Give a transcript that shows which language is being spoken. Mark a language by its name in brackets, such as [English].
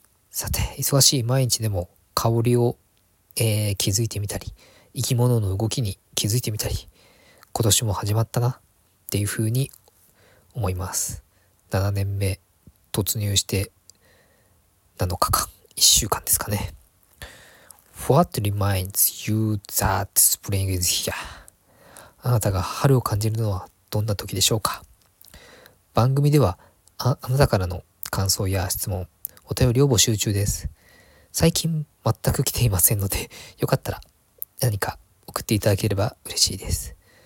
[Japanese] さて、忙しい毎日でも香りを、気づいてみたり、生き物の動きに気づいてみたり、今年も始まったなっていうふうに思います。 7年目突入して7日間、1週間ですかね。 [English] What reminds you that spring is here? [Japanese] あなたが春を感じるのはどんな時でしょうか。番組では あなたからの感想や質問、お便りを募集中です。最近全く来ていませんので、よかったら何か送っていただければ嬉しいです。